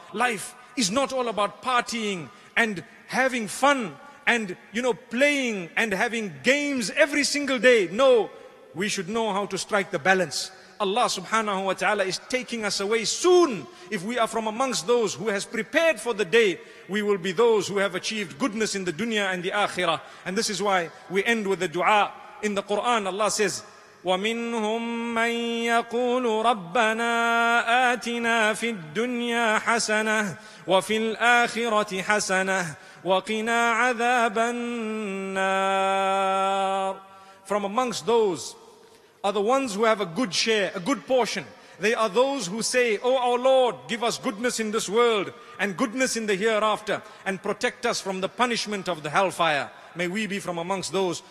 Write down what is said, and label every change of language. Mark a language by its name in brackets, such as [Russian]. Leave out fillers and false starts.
[English] Life is not all about partying and having fun and, you know, playing and having games every single day. No, we should know how to strike the balance. Allah subhanahu wa ta'ala is taking us away soon. If we are from amongst those who has prepared for the day, we will be those who have achieved goodness in the dunya and the akhirah. And this is why we end with the dua. In the Quran, Allah says, [Arabic] وَمِنْهُمْ مَنْ يَقُولُ رَبَّنَا آتِنَا فِي الدُّنْيَا حَسَنَةً وَفِي الْآخِرَةِ حَسَنَةً وَقِنَا عَذَابَ النَّارِ. [English] From amongst those are the ones who have a good share, a good portion. They are those who say, oh, our Lord, give us goodness in this world and goodness in the hereafter and protect us from the punishment of the hellfire. May we be from amongst those.